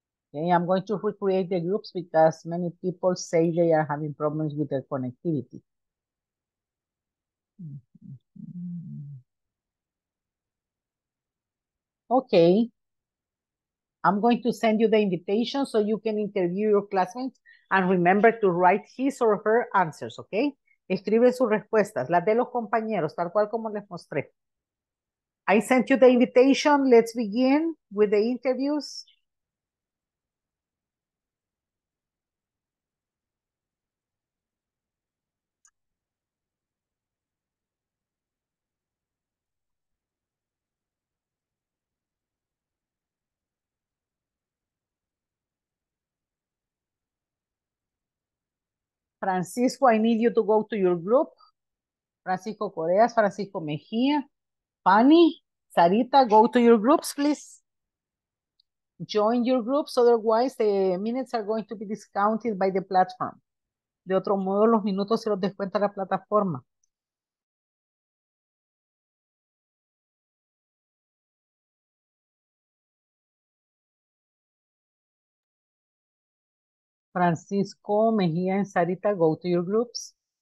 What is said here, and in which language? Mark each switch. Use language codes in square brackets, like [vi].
[en] Okay, I'm going to recreate the groups because many people say they are having problems with their connectivity. Okay. I'm going to send you the invitation so you can interview your classmates and remember to write his or her answers, okay? [es] Escribe sus respuestas, las de los compañeros, tal cual como les mostré. [en] I sent you the invitation. Let's begin with the interviews. Francisco, I need you to go to your group. Francisco Coreas, Francisco Mejía, Fanny, Sarita, go to your groups, please. Join your groups, otherwise the minutes are going to be discounted by the platform. [es] De otro modo, los minutos se los descuenta la plataforma. [en] Francisco, Mejía y Sarita, go to your groups.